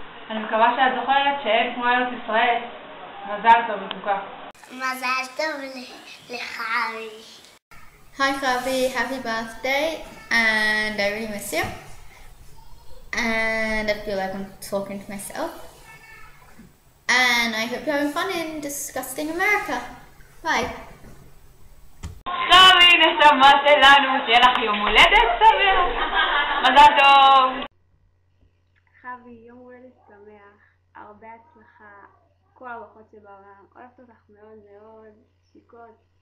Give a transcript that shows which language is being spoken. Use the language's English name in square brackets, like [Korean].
[Hebrew] אני מקווה שאת זוכרת שאין כמו ארץ ישראל. מזל טוב לתוקה. מזל טוב לחווי. [English] Hi חווי, happy birthday and I really miss you. And I feel like I'm talking to myself. And I hope you're having fun in disgusting America. Bye. [Hebrew] חווי נשמה שלנו, שיהיה לך יום הולדת סביר. מזל טוב. חווי, יום הולדת שמח. הרבה הצלחה. כל הרוחות שבעולם. אוהבת אותך מאוד מאוד. שיקות.